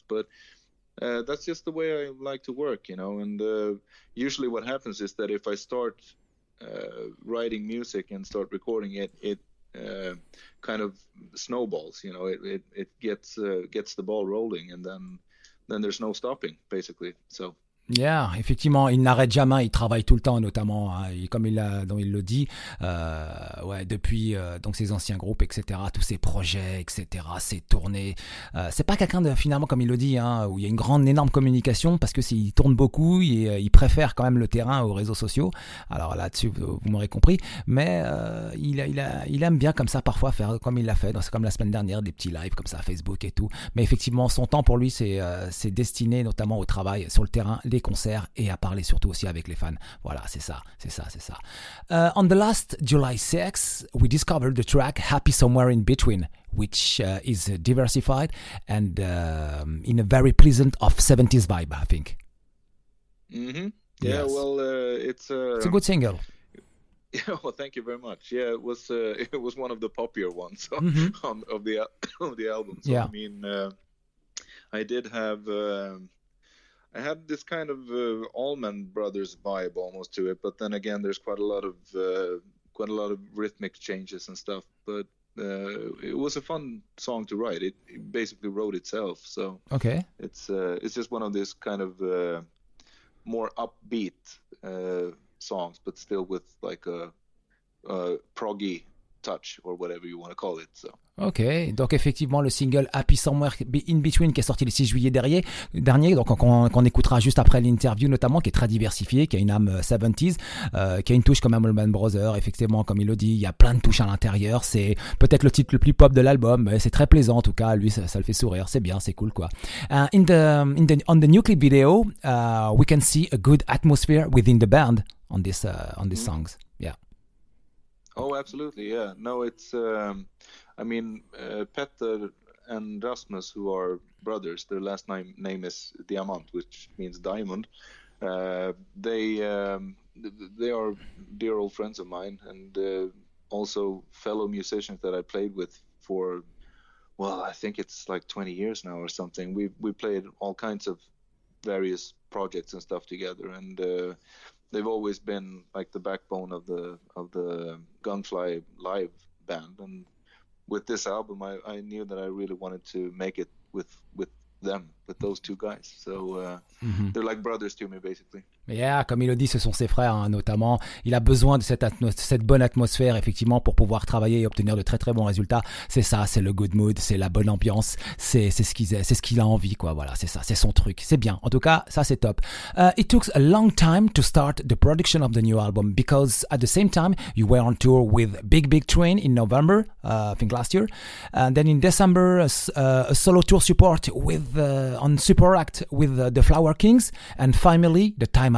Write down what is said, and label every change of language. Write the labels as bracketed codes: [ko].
[en] But that's just the way I like to work, you know. And usually what happens is that if I start writing music and start recording it kind of snowballs, you know, it gets the ball rolling, and then there's no stopping, basically. So [fr] yeah, effectivement, il n'arrête jamais, il travaille tout le temps, notamment, hein, comme il le dit, ouais, depuis donc ses anciens groupes, etc., tous ses projets, etc., ses tournées. C'est pas quelqu'un de, finalement, comme il le dit, hein, où il y a une grande, énorme communication, parce que s'il tourne beaucoup, il préfère quand même le terrain aux réseaux sociaux. Alors là-dessus, vous m'aurez compris, mais il aime bien comme ça parfois faire comme il l'a fait. Donc, c'est comme la semaine dernière, des petits lives comme ça, Facebook et tout. Mais effectivement, son temps pour lui, c'est destiné notamment au travail sur le terrain, les concerts, et à parler surtout aussi avec les fans. Voilà, c'est ça. [en] On the last July 6th, we discovered the track Happy Somewhere in Between, which is diversified and in a very pleasant of 70s vibe, I think. Mm-hmm. Yes. Yeah, well, it's a good single. Yeah, well, thank you very much. Yeah, it was one of the popular ones of the album. So, yeah. I mean, I did have... I had this kind of Allman Brothers vibe almost to it, but then again, there's quite a lot of rhythmic changes and stuff. But it was a fun song to write. It basically wrote itself. So okay, it's just one of these kind of more upbeat songs, but still with like a proggy touch or whatever you want to call it. So. [fr] Ok, donc effectivement le single Happy Somewhere in Between qui est sorti le 6 juillet dernier, donc qu'on écoutera juste après l'interview notamment, qui est très diversifié, qui a une âme 70s, qui a une touche quand même Allman Brothers, effectivement comme il le dit, il y a plein de touches à l'intérieur, c'est peut-être le titre le plus pop de l'album, mais c'est très plaisant en tout cas, lui ça le fait sourire, c'est bien, c'est cool quoi. [en] On the new clip video, we can see a good atmosphere within the band on these songs, yeah. Oh, absolutely, yeah. No, it's, I mean, Petter and Rasmus, who are brothers, their last name is Diamant, which means diamond. They are dear old friends of mine, and also fellow musicians that I played with for, well, I think it's like 20 years now or something. We played all kinds of various projects and stuff together, and they've always been like the backbone of the Gunfly live band, and with this album I knew that I really wanted to make it with them, with those two guys, so they're like brothers to me, basically. [fr] Yeah, comme il le dit, ce sont ses frères, hein, notamment. Il a besoin de cette bonne atmosphère, effectivement, pour pouvoir travailler et obtenir de très très bons résultats. C'est ça, c'est le [en] good mood, [fr] c'est la bonne ambiance, c'est ce qu'il a envie, quoi. Voilà, c'est ça, c'est son truc. C'est bien. En tout cas, ça c'est top. [en] It took a long time to start the production of the new album because at the same time you were on tour with Big Train in November, I think last year, and then in December a solo tour support with on Super Act with the Flower Kings, and finally the time.